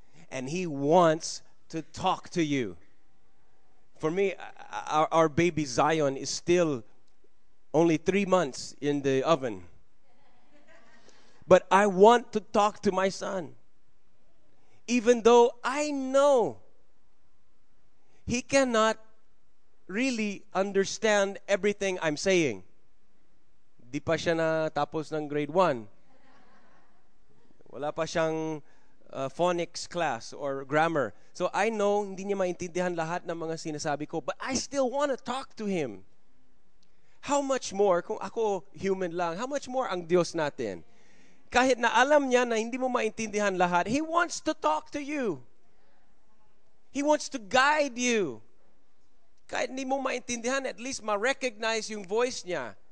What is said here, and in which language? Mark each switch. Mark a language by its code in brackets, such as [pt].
[en] And he wants to talk to you. For me, our baby Zion is still only 3 months in the oven. But I want to talk to my son. Even though I know he cannot really understand everything I'm saying. [tl] Di pa siya na tapos ng grade 1. Wala pa siyang phonics class or grammar. [en] So I know [tl] hindi niya maintindihan lahat ng mga sinasabi ko. [en] But I still want to talk to him. How much more, [tl] kung ako human lang, [en] how much more [tl] ang Diyos natin? Kahit na alam niya na hindi mo maintindihan lahat, [en] he wants to talk to you. He wants to guide you. [tl] Kahit hindi mo maintindihan, at least ma-recognize yung voice niya.